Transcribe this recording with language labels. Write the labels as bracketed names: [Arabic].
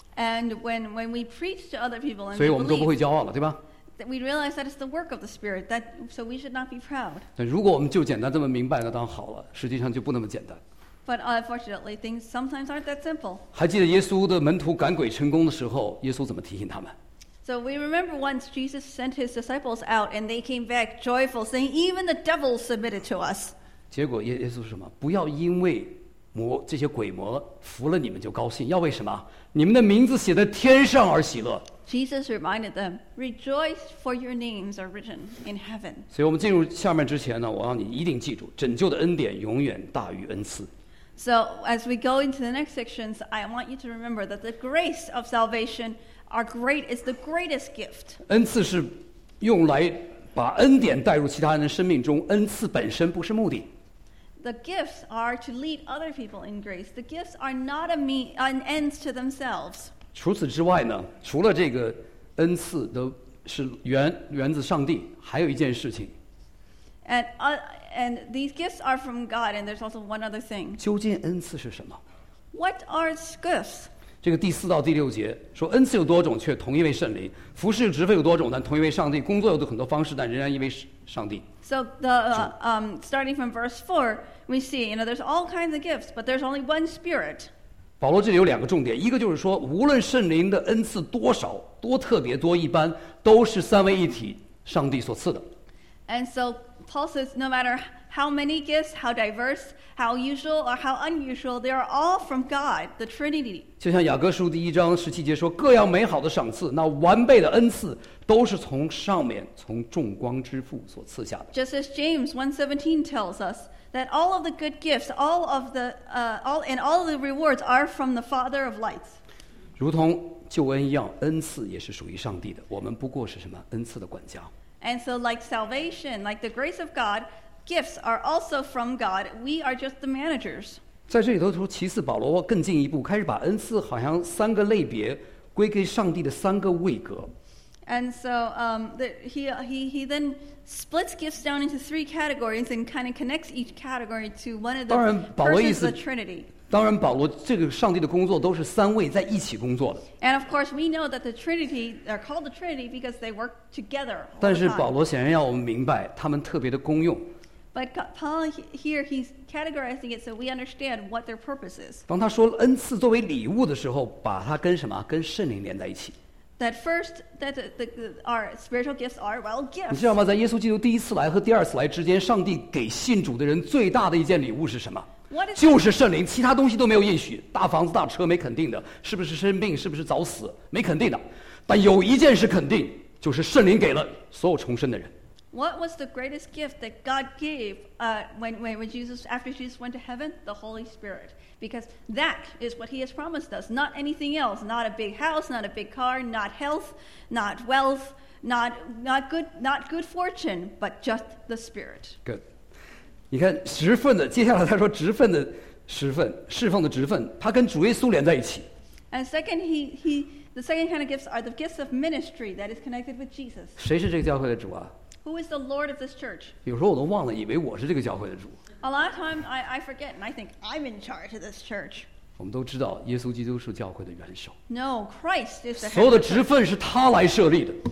[English] And when we preach to other people, and [Chinese] 所以我们都不会骄傲了，对吧？ [English] We realize that it's the work of the Spirit, that so we should not be proud. [Chinese] 但如果我们就简单这么明白了，当好了，实际上就不那么简单。 [English] But unfortunately, things sometimes aren't that simple. [Chinese] 还记得耶稣的门徒赶鬼成功的时候，耶稣怎么提醒他们 [English] ？So we remember once Jesus sent his disciples out, and they came back joyful, saying, "Even the devils submitted to us." [Chinese] 结果耶稣是什么？不要因为魔这些鬼魔服了你们就高兴，要为什么？你们的名字写在天上而喜乐。 [English] Jesus reminded them, "Rejoice, for your names are written in heaven." [Chinese] 所以我们进入下面之前呢，我要你一定记住，拯救的恩典永远大于恩赐。 [English] So as we go into the next sections, I want you to remember that the grace of salvation is the greatest gift. [Chinese] 恩赐是用来把恩典带入其他人的生命中，恩赐本身不是目的。 [English] The gifts are to lead other people in grace. The gifts are not an end to themselves. [Chinese] 除此之外呢，除了这个恩赐都是源自上帝，还有一件事情。 [English] And these gifts are from God, and there's also one other thing. [Chinese] 究竟恩赐是什么 [English] ？What are gifts? [Chinese] 这个第四到第六节说，恩赐有多种，却同一位圣灵；服事职分有多种，但同一位上帝；工作有很多方式，但仍然一位上帝。 [English] So the starting from verse 4, we see, you know, there's all kinds of gifts, but there's only one Spirit. [Chinese] 保罗这里有两个重点，一个就是说，无论圣灵的恩赐多少、多特别、多一般，都是三位一体上帝所赐的。 [English] And so Paul says, no matter how many gifts, how diverse, how usual or how unusual, they are all from God, the Trinity. [Chinese] 就像雅各书第一章十七节说，各样美好的赏赐，那完备的恩赐，都是从上面，从众光之父所赐下的。 [English] Just as James 1:17 tells us that all of the good gifts, all of the rewards are from the Father of lights. [Chinese] 如同救恩一样，恩赐也是属于上帝的。我们不过是什么恩赐的管家。 [English] And so, like salvation, like the grace of God, gifts are also from God. We are just the managers. [Chinese] 在这里头说，其次，保罗更进一步，开始把恩赐好像三个类别归给上帝的三个位格。 [English] And so, he then splits gifts down into three categories and kind of connects each category to one of the persons of the Trinity. [Chinese] 当然，保罗这个上帝的工作都是三位在一起工作的。 [English] And of course, we know that the Trinity are called the Trinity because they work together. [Chinese] 但是保罗显然要我们明白他们特别的功用。 [English] But Paul here he's categorizing it so we understand what their purpose is. [Chinese] 当他说恩赐作为礼物的时候，把它跟什么？跟圣灵连在一起。 [English] That first, that the our spiritual gifts are well gifts. [Chinese] 你知道吗？在耶稣基督第一次来和第二次来之间，上帝给信主的人最大的一件礼物是什么？就是圣灵，其他东西都没有应许，大房子大车没肯定的，是不是生病，是不是早死，没肯定的。但有一件是肯定，就是圣灵给了所有重生的人。 [English] What was the greatest gift that God gave when Jesus after Jesus went to heaven? The Holy Spirit, because that is what He has promised us. Not anything else. Not a big house. Not a big car. Not health. Not wealth. Not good fortune. But just the Spirit. Good. [Chinese] 你看十份的，接下来他说职份的十份，侍奉的职份，他跟主耶稣连在一起。 [English] And second, the second kind of gifts are the gifts of ministry that is connected with Jesus. [Chinese] 谁是这个教会的主啊 [English] ？Who is the Lord of this church? [Chinese] 有时候我都忘了，以为我是这个教会的主。 [English] A lot of times I forget and I think I'm in charge of this church. [Chinese] 我们都知道，耶稣基督是教会的元首。 [English] No, Christ is the head. [Chinese] 所有的职份是他来设立的。